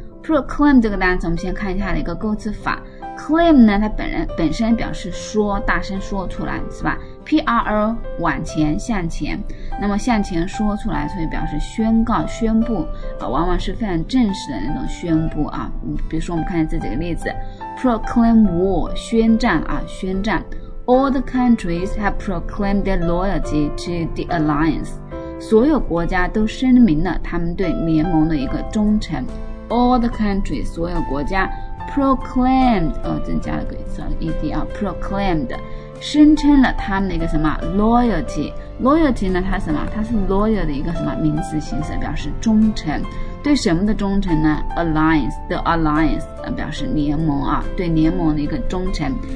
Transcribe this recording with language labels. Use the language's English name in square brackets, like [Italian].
[Chinese] proclaim 这个单词我们先看一下的一个构词法。claim 呢它本身表示说，大声说出来是吧。 P-R-O 往前向前，那么向前说出来，所以表示宣告宣布往往是非常正式的那种宣布啊。比如说我们看这几个例子 proclaim war 宣战啊，宣战。 [English] All the countries have proclaimed their loyalty to the alliance，所有国家都声明了他们对联盟的一个忠诚。 [Chinese] All the countries 所有国家 proclaimed 增加了个ed 啊 proclaimed声称了他们的一个什么 loyalty 呢，它是什么，它是 loyal 的一个什么名词形式，表示忠诚。对什么的忠诚呢？ the alliance 表示联盟啊，对联盟的一个忠诚。